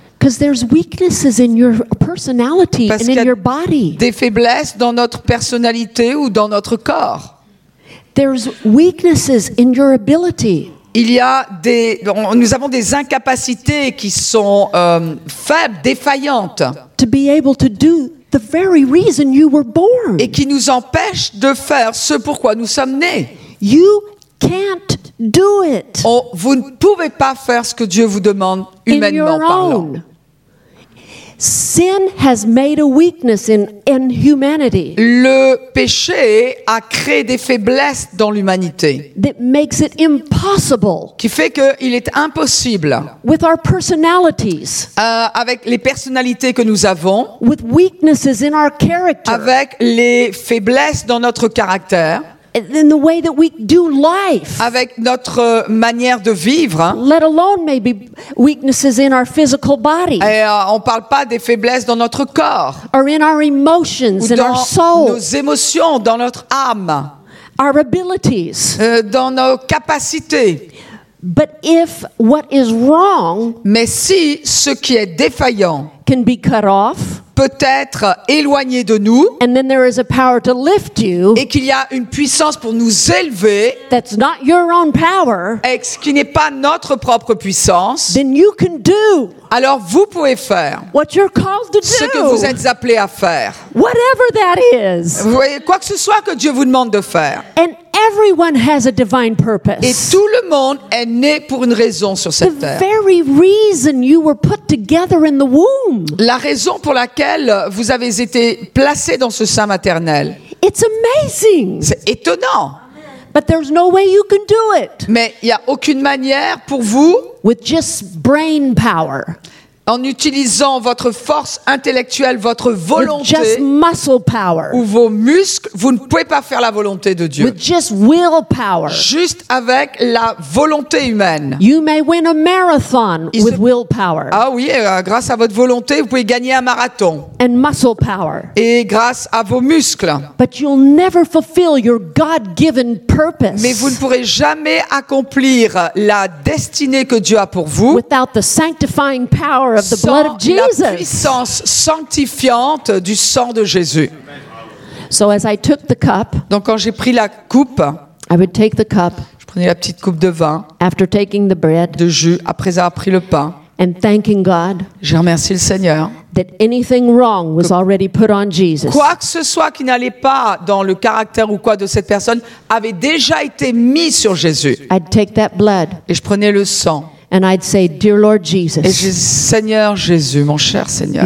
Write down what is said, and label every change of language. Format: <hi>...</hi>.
<en>Because there's weaknesses in your personality</en> <fr>Parce</fr> <en>and in your body.</en> <fr>Parce qu'il y a des faiblesses dans notre personnalité ou dans notre corps.</fr> <en>There's weaknesses in your ability.</en> <fr>Il y a des, nous avons des incapacités qui sont faibles, défaillantes.</fr> <en>To be able to do the very reason you were born.</en> <fr>Et qui nous empêchent de faire ce pourquoi nous sommes nés.</fr> <en>You can't do it.</en> <fr>Oh, vous ne pouvez pas faire ce que Dieu vous demande humainement</fr> <en>in your</en> <fr>parlant.</fr> <en>Own. Sin has made a weakness in humanity.</en> <fr>Le péché a créé des faiblesses dans l'humanité.</fr> <en>That makes it impossible.</en> <fr>Qui fait que il est impossible.</fr> <en>With our personalities.</en> <fr>Avec les personnalités que nous avons.</fr> <en>With weaknesses in our character.</en> <fr>Avec les faiblesses dans notre caractère.</fr> <en>In the way that we do life.</en> <fr>Avec notre manière de vivre. Hein.</fr> <en>Let alone maybe weaknesses in our physical body.</en> <fr>Et on parle pas des faiblesses dans notre corps.</fr> <en>Or in our emotions, in our soul.</en> <fr>Dans nos émotions, dans notre âme.</fr> <en>Our abilities.</en> <fr>Dans nos capacités.</fr> <en>But if what is wrong.</en> <fr>Mais si ce qui est défaillant.</fr> <en>Can be cut off.</en> <fr>Peut-être éloigné de nous</fr> <en>and then there is a power to lift you,</en> <fr>et qu'il y a une puissance pour nous élever</fr> <en>that's not your own power,</en> <fr>et ce qui n'est pas notre propre puissance</fr> <en>then you can do</en> <fr>alors vous pouvez faire</fr> <en>what you're called to do,</en> <fr>ce que vous êtes appelé à faire</fr> <en>whatever that is.</en> <fr>Vous voyez, quoi que ce soit que Dieu vous demande de faire</fr> <en>and everyone has a divine purpose.</en> <fr>Et tout le monde est né pour une raison sur cette</fr> <en>the</en> <fr>terre.</fr> <en>Very reason you were put together in the womb.</en> <fr>La raison pour laquelle vous avez été placé dans ce sein maternel.</fr> <en>It's amazing.</en> <fr>C'est étonnant.</fr> <en>But there's no way you can do it.</en> <fr>Mais il n'y a aucune manière pour vous</fr> <en>with just brain power.</en> <fr>En utilisant votre force intellectuelle, votre volonté</fr> <en>with just muscle power.</en> <fr>Ou vos muscles, vous ne pouvez pas faire la volonté de Dieu.</fr> <en>With just will power.</en> <fr>Juste avec la volonté humaine.</fr> <en>You may win a marathon with will power.</en> <fr>Ah oui, grâce à votre volonté, vous pouvez gagner un marathon.</fr> <en>And muscle power.</en> <fr>Et grâce à vos muscles.</fr> <en>But you'll never fulfill your God-given purpose.</en> <fr>Mais vous ne pourrez jamais accomplir la destinée que Dieu a pour vous.</fr> <en>Without the sanctifying power of the blood of Jesus.</en> <fr>La puissance sanctifiante du sang de Jésus.</fr> <en>So as I took the cup,</en> <fr>donc quand j'ai pris la coupe,</fr> <en>I would take the cup,</en> <fr>je prenais la petite coupe de vin,</fr> <en>after taking the bread,</en> <fr>de jus, après avoir pris le pain,</fr> <en>and thanking God,</en> <fr>j'ai remercié le Seigneur,</fr> <en>that anything wrong was already put on Jesus.</en> <fr>Quoi que ce soit qui n'allait pas dans le caractère ou quoi de cette personne avait déjà été mis sur Jésus.</fr> <en>I'd take that blood,</en> <fr>et je prenais le sang.</fr> <en>And I'd say, dear Lord Jesus,</en> <fr>et je dis, Seigneur Jésus, mon cher Seigneur,</fr>